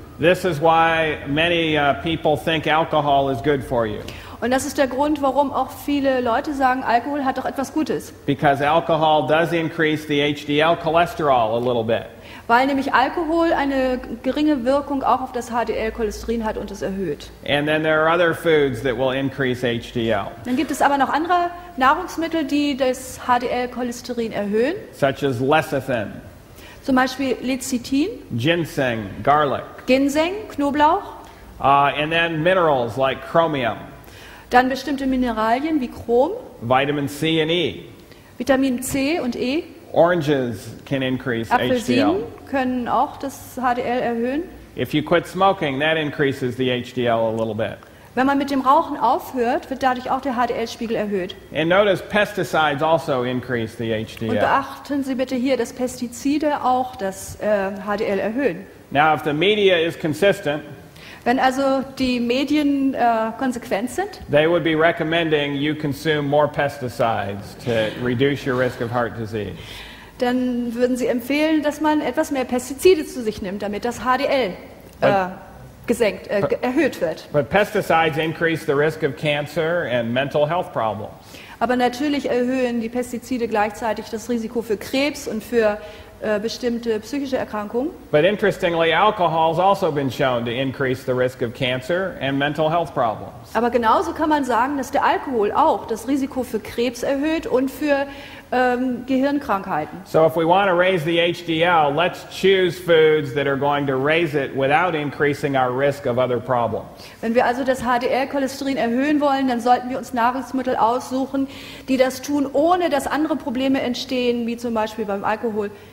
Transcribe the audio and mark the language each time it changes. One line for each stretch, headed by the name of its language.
English: This is why many people think alcohol is good for you.
German: Und das ist der Grund, warum auch viele Leute sagen, Alkohol hat doch etwas Gutes.
English: Because alcohol does increase the HDL cholesterol a little bit.
German: Weil nämlich Alkohol eine geringe Wirkung auch auf das HDL-Cholesterin hat und es erhöht.
English: And then there are other foods that will increase HDL.
German: Dann gibt es aber noch andere Nahrungsmittel, die das HDL-Cholesterin erhöhen.
English: Such as lecithin.
German: Zum Beispiel Lecithin.
English: Ginseng, garlic.
German: Ginseng, Knoblauch.
English: And then minerals like chromium.
German: Dann bestimmte Mineralien wie Chrom.
English: Vitamin C and E.
German: Vitamin C und E.
English: Oranges can increase HDL.
German: Apfelsinen können auch das HDL erhöhen.
English: If you quit smoking, that increases the HDL a little bit.
German: Wenn man mit dem Rauchen aufhört, wird dadurch auch der HDL-Spiegel erhöht.
English: And notice pesticides also increase the HDL.
German: Und beachten Sie bitte hier, dass Pestizide auch das HDL erhöhen.
English: Now, if the media is consistent,
German: wenn also die Medien konsequent sind,
English: they would be recommending you consume more pesticides to reduce your risk of heart disease.
German: Dann würden sie empfehlen, dass man etwas mehr Pestizide zu sich nimmt, damit das HDL erhöht wird.
English: But pesticides increase the risk of cancer and mental health problems.
German: Aber natürlich erhöhen die Pestizide gleichzeitig das Risiko für Krebs und für bestimmte psychische Erkrankungen.
English: But interestingly, alcohol has also been shown to increase the risk of cancer and mental health problems.
German: Aber genauso kann man sagen, dass der Alkohol auch das Risiko für Krebs erhöht und für Gehirnkrankheiten.
English: So if we want to raise the HDL, let's choose foods that are going to raise it without increasing our risk of other problems.
German: Wenn wir also das HDL-Cholesterin erhöhen wollen, dann sollten wir uns Nahrungsmittel aussuchen, die das tun, ohne dass andere Probleme entstehen, wie zum Beispiel beim Alkohol.